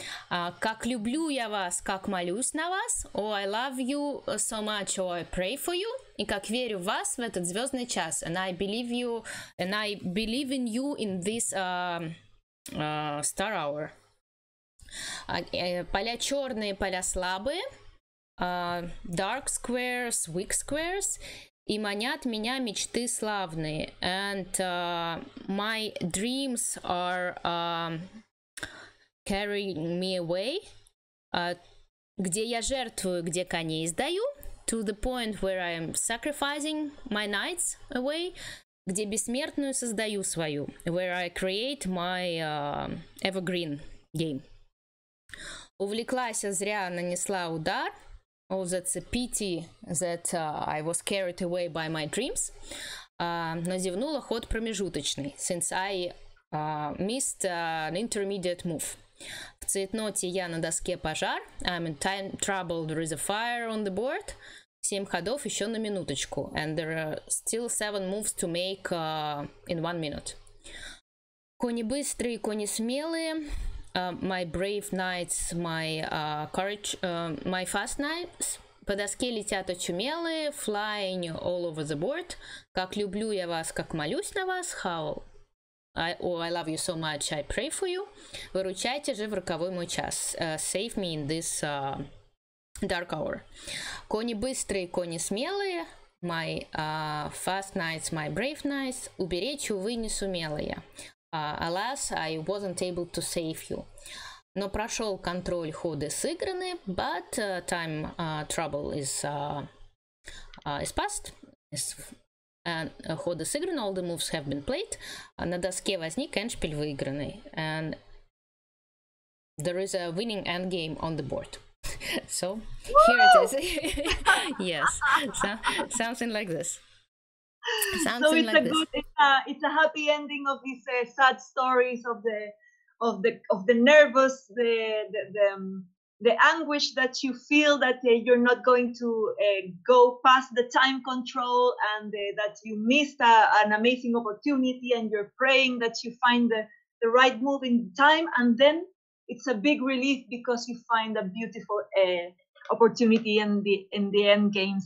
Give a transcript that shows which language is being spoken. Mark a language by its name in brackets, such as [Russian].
[Russian] Как люблю я вас, как молюсь на вас. [English] Oh, I love you so much, oh, I pray for you. [Russian] И как верю в вас в этот звездный час. [English] And I believe you, and I believe in you in this star hour. [Russian] Поля черные, поля слабые. [English] Dark squares, weak squares. [Russian] И манят меня мечты славные. [English] And my dreams are carrying me away. [Russian] Где я жертвую, где коней сдаю. [English] To the point where I am sacrificing my knights away. [Russian] Где бессмертную создаю свою. [English] Where I create my evergreen game. [Russian] Увлеклась зря, нанесла удар. [English] Oh, that's a pity that I was carried away by my dreams. [Russian] Но зевнула ход промежуточный, [English] since I missed an intermediate move. [Russian] В цветноте я на доске пожар. [English] I'm in time trouble, there is a fire on the board. [Russian] Семь ходов еще на минуточку. [English] And there are still seven moves to make in 1 minute. [Russian] Кони быстрые, кони смелые. [English] My brave knights, my courage, my fast knights. [Russian] По доске летят очумелые, [English] flying all over the board. [Russian] Как люблю я вас, как молюсь на вас. [English] How I love you so much, I pray for you. [Russian] Выручайте же в роковой мой час. [English] Save me in this dark hour. [Russian] Кони быстрые, кони смелые. [English] My fast knights, my brave knights. [Russian] Уберечь, увы, не сумела я. [English] Alas, I wasn't able to save you. [Russian] Но прошел контроль, ходы сыграны, [English] but time trouble is passed. [Russian] Ходы сыграны, [English] all the moves have been played. [Russian] На доске возник эндшпиль выигранный. [English] And there is a winning endgame on the board. So, here it is. Yes, something like this. It's a happy ending of these sad stories of the nervous, the anguish that you feel that you're not going to go past the time control, and that you missed an amazing opportunity, and you're praying that you find the right move in time, and then it's a big relief because you find a beautiful opportunity in the end game.